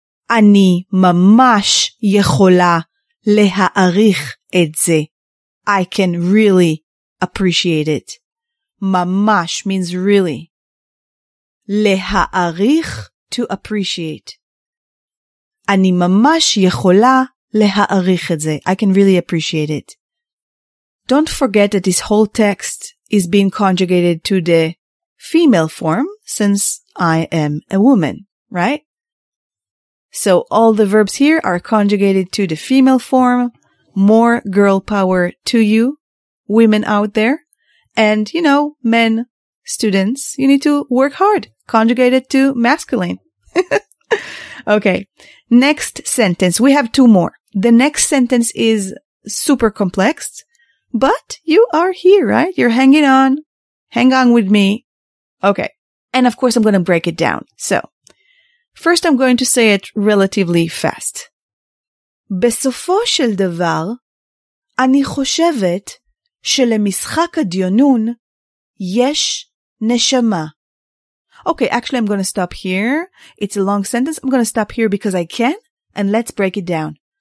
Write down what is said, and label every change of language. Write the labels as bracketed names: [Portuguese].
[Hebrew] אני ממש יכולה להעריך את זה. [English] I can really appreciate it. ממש means really. [Hebrew] להעריך, [English] to appreciate. [Hebrew] אני ממש יכולה להעריך את זה. [English] I can really appreciate it. Don't forget that this whole text is being conjugated to the female form, since I am a woman, right? So all the verbs here are conjugated to the female form. More girl power to you, women out there. And, you know, men, students, you need to work hard. Conjugated to masculine. Okay, next sentence. We have two more. The next sentence is super complex. But you are here, right? You're hanging on. Hang on with me. Okay, and of course I'm going to break it down. So, first, I'm going to say it relatively fast. [Hebrew] בסופו של דבר, אני חושבת שלמשחק הדיונון יש נשמה. [English] Okay, actually, I'm going to stop here. It's a long sentence. I'm going to stop here because I can, and let's break it down.